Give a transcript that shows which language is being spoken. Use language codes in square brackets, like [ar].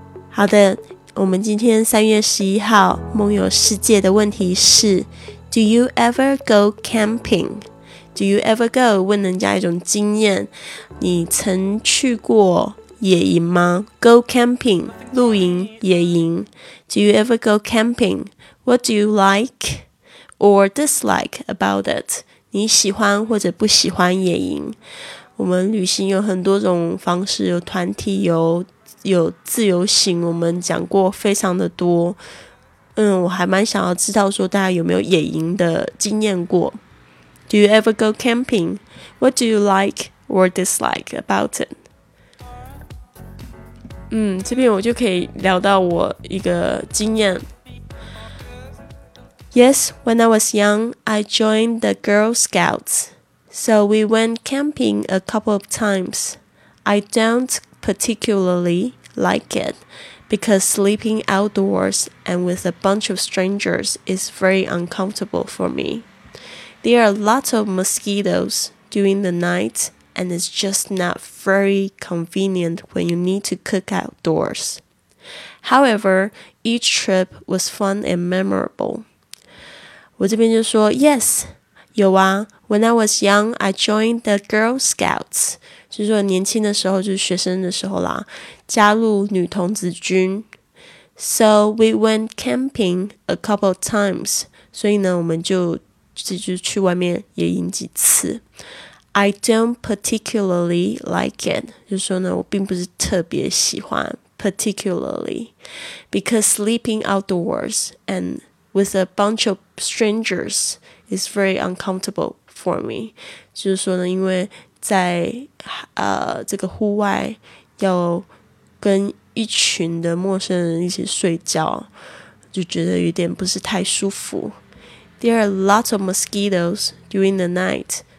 [zh] 好的，我们今天3月11号梦游世界的问题是 [en] Do you ever go camping? Do you ever go? [zh] 问人家一种经验，你曾去过野营吗？ [en] Go camping [zh] 露营野营。 [en] Do you ever go camping? What do you like or dislike about it? [zh] 你喜欢或者不喜欢野营？我们旅行有很多种方式，有团体游，有自由行，我们讲过非常的多。我还蛮想要知道说大家有没有野营的经验过。 [en] Do you ever go camping? What do you like or dislike about it? [zh] 这边我就可以聊到我一个经验。 [en] Yes, when I was young, I joined the Girl Scouts. So we went camping a couple of times. I don't particularly like it, because sleeping outdoors and with a bunch of strangers is very uncomfortable for me. There are lots of mosquitoes during the night, and it's just not very convenient when you need to cook outdoors. However, each trip was fun and memorable. [zh] 我这边就说 ,Yes, 有啊。 [en] When I was young, I joined the Girl Scouts. [zh] 就是说年轻的时候就是学生的时候啦加入女童子军。 [en] So we went camping a couple of times. [zh] 所以呢我们就去外面野营几次。 [en] I don't particularly like it. [zh] 就是说呢我并不是特别喜欢。 [en] Particularly, because sleeping outdoors and with a bunch of strangers is very uncomfortable for me. [zh] 就是说呢，因为在这个户外要跟一群的陌生人一起睡觉，就觉得有点不是太舒服。 [en] There are lots of mosquitoes during the night.